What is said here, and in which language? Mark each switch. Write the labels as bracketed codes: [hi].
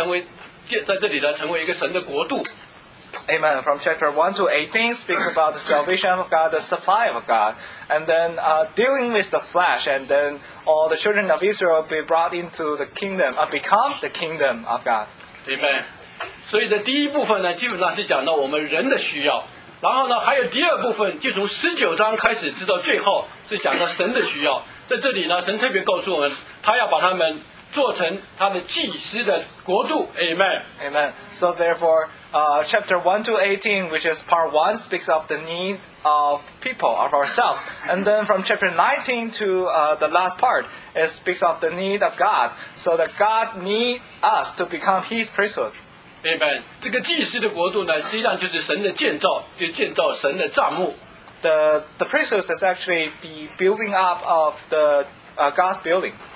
[zh] 对付肉体，然后神的在这里有山上有启示，最后成为在这里呢成为一个神的国度。 [en] Amen. From chapter 1 to 18 speaks about the salvation of God, the supply of God, and then dealing with the flesh, and then all the children of Israel be brought into the kingdom, become the kingdom of God. Amen. [zh] 所以的第一部分呢，基本上是讲到我们人的需要。然后呢，还有第二部分，就从19章开始直到最后，是讲到神的需要。在这里呢，神特别告诉我们，他要把他们做成他的祭司的国度。Amen. [en] Amen. So therefore, chapter 1 to 18, which is part 1, speaks of the need of people, of ourselves. And then from chapter 19 to the last part, it speaks of the need of God. So that God needs us to become his priesthood. Amen. [zh] 这个祭司的国度呢，实际上就是神的建造，就建造神的帐幕。 [en] The priesthood is actually the building up of the God's building.